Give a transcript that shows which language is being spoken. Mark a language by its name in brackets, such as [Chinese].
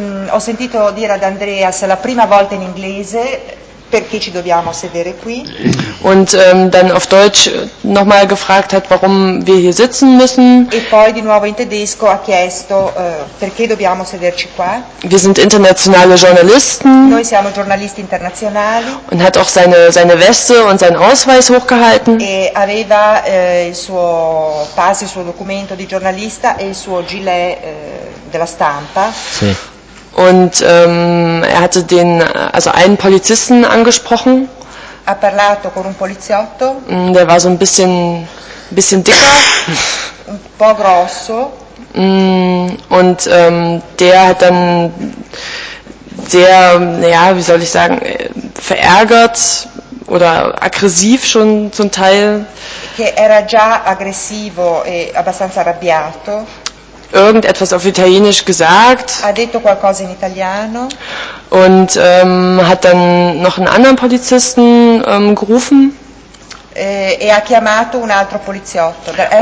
[Italian] Ho sentito dire ad Andreas la prima volta in inglese perché ci dobbiamo sedere qui. [German] Und dann auf Deutsch nochmal gefragt hat, warum wir hier sitzen müssen. [Italian] E poi di nuovo in tedesco ha chiesto perché dobbiamo sederci qua. [German] Wir sind internationale Journalisten. [Italian] Noi siamo giornalisti internazionali. [German] Und hat auch seine Weste und seinen Ausweis hochgehalten. [Italian] E aveva il suo pass, il suo documento di giornalista e il suo gilet della stampa. Sì. [German] Und er hatte einen Polizisten angesprochen. [Italian] Ha parlato con un poliziotto. [German] Der war so ein bisschen dicker. [Italian] Un po' grosso. [German] Und der hat dann sehr, naja, wie soll ich sagen, verärgert oder aggressiv schon zum Teil. [Italian] Che era già aggressivo e abbastanza arrabbiato. [German] Irgendetwas auf Italienisch gesagt. [Italian] Ha detto qualcosa in italiano. [German] Und hat dann noch einen anderen Polizisten gerufen. [Italian] E ha chiamato un altro poliziotto.